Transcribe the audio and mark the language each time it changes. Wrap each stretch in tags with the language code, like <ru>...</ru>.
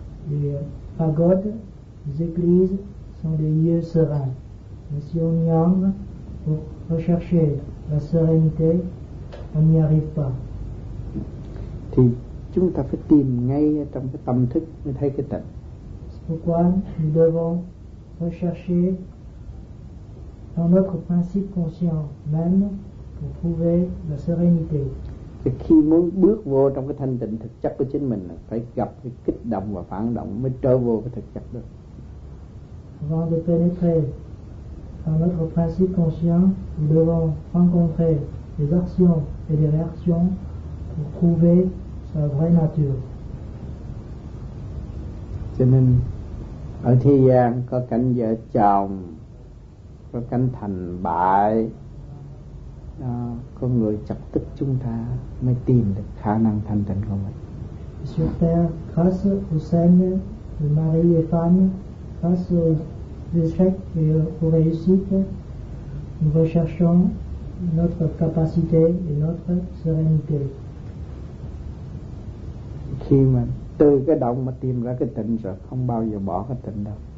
<fr>Les pagodes, les églises sont des lieux sereins. Mais si on y entre pour rechercher la sérénité, on n'y arrive pas.</fr> <vi>Thì chúng ta phải tìm ngay trong cái tâm thức mới thấy cái tịnh.</vi> <fr>C'est pourquoi nous devons rechercher dans notre principe conscient même pour trouver la sérénité.</fr> <vi>Thì khi muốn bước vô trong cái thanh tịnh thực chất của chính mình phải gặp cái kích động và phản động mới trở vô cái thực chất được.</vi> <fr>Avant de pénétrer dans notre principe conscient, nous devons rencontrer les actions et les réactions pour trouver sa vraie nature.</fr> <vi>Cho nên, ở thế gian có cảnh vợ chồng, có cảnh thành bại, có người chấp tích chúng ta mới tìm được khả năng thanh tịnh của mình.</vi> <fr>Sur terre, grâce au scène de mari et femme, grâce au échec et aux réussites, nous recherchons notre capacité et notre sérénité.</fr> <vi>Khi mà từ cái động mà tìm ra cái tịnh rồi, không bao giờ bỏ cái tịnh đâu.</vi>